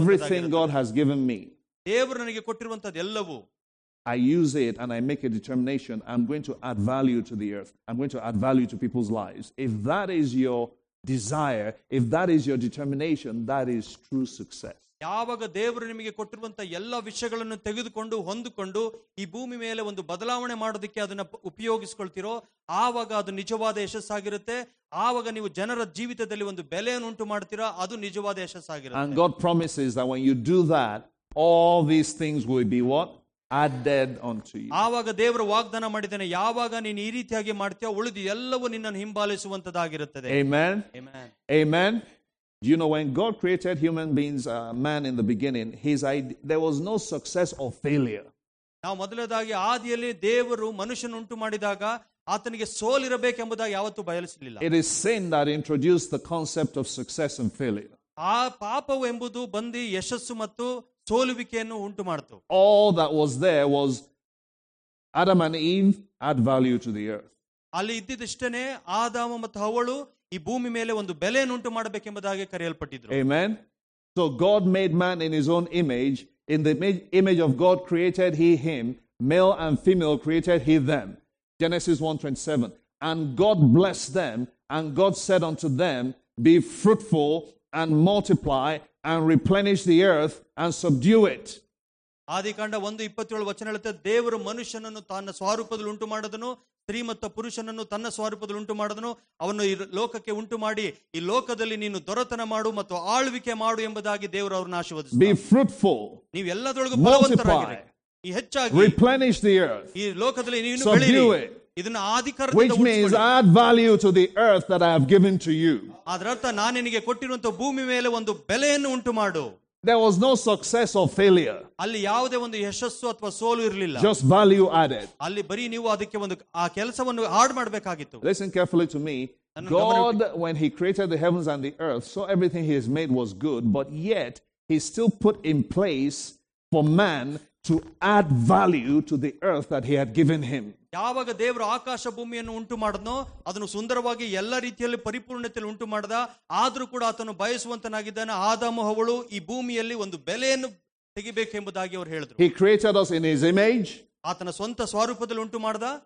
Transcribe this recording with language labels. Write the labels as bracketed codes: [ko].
[en] Everything God has given me, [kn] ದೇವರು ನನಗೆ ಕೊಟ್ಟಿರುವಂತದ್ದು ಎಲ್ಲವೂ, [en] I use it and I make a determination, I'm going to add value to the earth, I'm going to add value to people's lives. If that is your desire, if that is your determination, that is true success. [kn] ಯಾವಾಗ ದೇವರು ನಿಮಗೆ ಕೊಟ್ಟಿರುವಂತಹ ಎಲ್ಲ ವಿಷಯಗಳನ್ನು ತೆಗೆದುಕೊಂಡು ಹೊಂದಿಕೊಂಡು ಈ ಭೂಮಿ ಮೇಲೆ ಒಂದು ಬದಲಾವಣೆ ಮಾಡೋದಕ್ಕೆ ಅದನ್ನ ಉಪಯೋಗಿಸ್ಕೊಳ್ತಿರೋ, ಆವಾಗ ಅದು ನಿಜವಾದ ಯಶಸ್ಸಾಗಿರುತ್ತೆ. ಆವಾಗ ನೀವು ಜನರ ಜೀವಿತದಲ್ಲಿ ಒಂದು ಬೆಲೆಯನ್ನು ಉಂಟು ಮಾಡ್ತೀರಾ, ಅದು ನಿಜವಾದ ಯಶಸ್ಸಾಗಿರುತ್ತೆ. [en] And God promises that when you do that, all these things will be what? Added unto you. [kn] ಆವಾಗ ದೇವರು ವಾಗ್ದಾನ ಮಾಡಿದ್ದಾನೆ, ಯಾವಾಗ ನೀನು ಈ ರೀತಿಯಾಗಿ ಮಾಡ್ತೀಯೋ ಉಳಿದು ಎಲ್ಲವೂ ನಿನ್ನನ್ನು ಹಿಂಬಾಲಿಸುವಂತದಾಗಿರುತ್ತದೆ. [en] Amen. Amen. Amen. You know, when God created human beings, man in the beginning, his idea, there was no success or failure. [kn] Now, ಮೊದಲದಾಗಿ ಆದಿಯಲ್ಲಿ ದೇವರು ಮನುಷ್ಯನ ಉಂಟು ಮಾಡಿದಾಗ ಆತನಿಗೆ ಸೋಲಿರಬೇಕೆಂಬುದಾಗಿ ಯಾವತ್ತೂ ಬಯಸಲಿಲ್ಲ. [en] It is sin that introduced the concept of success and failure. [kn] ಆ ಪಾಪವು ಎಂಬುದು ಬಂದು ಯಶಸ್ಸು ಮತ್ತು ಸೋಲುವಿಕೆಯನ್ನು ಉಂಟು ಮಾಡಿತು. [en] All that was there was Adam and Eve add value to the earth. [kn] ಅಲ್ಲಿ ಇದ್ದಿದ್ದಷ್ಟೇ ಆದಾಮ ಮತ್ತು ಅವಳು ಈ ಭೂಮಿ ಮೇಲೆ ಒಂದು ಬೆಲೆಯನ್ನು ಉಂಟು ಮಾಡಬೇಕೆಂಬುದಾಗಿ ಕರೆಯಲ್ಪಟ್ಟಿದ್ರು. [en] Amen. So God made man in his own image. In the image of God created he him. Male and female created he them. Genesis 1:27. And God blessed them. And God said unto them, be fruitful and multiply and replenish the earth and subdue it. [kn] ಆದಿಕಾಂಡ 1:27 ವಚನ ಹೇಳುತ್ತೆ, ದೇವರು ಮನುಷ್ಯನನ್ನು ತನ್ನ ಸ್ವರೂಪದಲ್ಲಿ ಉಂಟು ಮಾಡಿದನು, ಸ್ತ್ರೀ ಮತ್ತು ಪುರುಷನನ್ನು ತನ್ನ ಸ್ವರೂಪದಲ್ಲಿ ಉಂಟು ಮಾಡಿದನು, ಅವನು ಈ ಲೋಕಕ್ಕೆ ಉಂಟು ಮಾಡಿ ಈ ಲೋಕದಲ್ಲಿ ನೀನು ದೊರೆತನ ಮಾಡು ಮತ್ತು ಆಳ್ವಿಕೆ ಮಾಡು ಎಂಬುದಾಗಿ ದೇವರು ಅವರನ್ನು ಆಶೀರ್ವದಿಸುತ್ತಾರೆ. ನೀವು ಎಲ್ಲದರೊಳಗೂ ಬಲವಂತರಾಗಿರಿ, ಈ ಹೆಚ್ಚಾಗಿ [en] replenish the earth, [kn] ಈ ಲೋಕದಲ್ಲಿ ನೀನು ಬೆಳೆಯಿರಿ, ಇದನ್ನು ಆಧಿಕಾರದಿಂದ [en] which means add value to the earth that I have given to you. [kn] ಅದರರ್ಥ ನಾನು ನಿನಗೆ ಕೊಟ್ಟಿರುವಂತ ಭೂಮಿ ಮೇಲೆ ಒಂದು ಬೆಲೆಯನ್ನು ಉಂಟು ಮಾಡು. [en] There was no success or failure. [kn] ಅಲ್ಲಿ ಯಾವುದೇ ಒಂದು ಯಶಸ್ಸು ಅಥವಾ ಸೋಲು ಇರಲಿಲ್ಲ. [en] Just value added. [kn] ಅಲ್ಲಿ ಬರೀ ನೀವು ಅದಕ್ಕೆ ಒಂದು ಆ ಕೆಲಸವನ್ನು ಆಡ್ ಮಾಡಬೇಕಾಗಿತ್ತು. [en] Listen carefully to me. God, when he created the heavens and the earth, so everything he has made was good, but yet he still put in place for man to add value to the earth that he had given him. [kn] ಯಾವಾಗ ದೇವರು ಆಕಾಶ ಭೂಮಿಯನ್ನು ಉಂಟು ಮಾಡದನೋ, ಅದನ್ನು ಸುಂದರವಾಗಿ ಎಲ್ಲ ರೀತಿಯಲ್ಲಿ ಪರಿಪೂರ್ಣತೆಯಲ್ಲಿ ಉಂಟು ಮಾಡದ, ಆದರೂ ಕೂಡ ಆತನು ಬಯಸುವಂತನಾಗಿದ್ದಾನೆ. ಆದಾಮ ಅವಳು ಈ ಭೂಮಿಯಲ್ಲಿ ಒಂದು ಬೆಲೆಯನ್ನು ತೆಗಿಬೇಕೆಂಬುದಾಗಿ ಅವರು ಹೇಳಿದ್ರು. [en] He created us in his image. [kn] ಆತನ ಸ್ವಂತ ಸ್ವರೂಪದಲ್ಲಿ ಉಂಟು ಮಾಡದ.